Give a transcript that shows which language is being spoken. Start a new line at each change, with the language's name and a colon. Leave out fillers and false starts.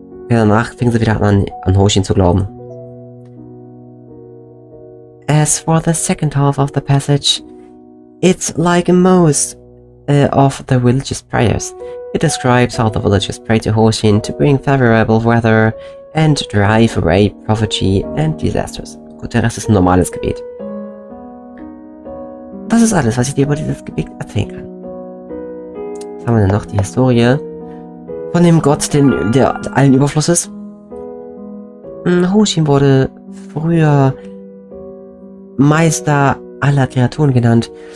German: Ja, danach fing sie wieder an Hoshin zu glauben.
English: As for the second half of the passage, it's like most of the religious prayers. It describes how the villagers pray to Hoshin to bring favorable weather and drive away poverty and disasters.
German: Gut, der Rest ist ein normales Gebet. Das ist alles, was ich dir über dieses Gebet erzählen kann. Was haben wir denn noch? Die Historie von dem Gott, der allen Überfluss ist. Hoshin wurde früher Meister aller Kreaturen genannt.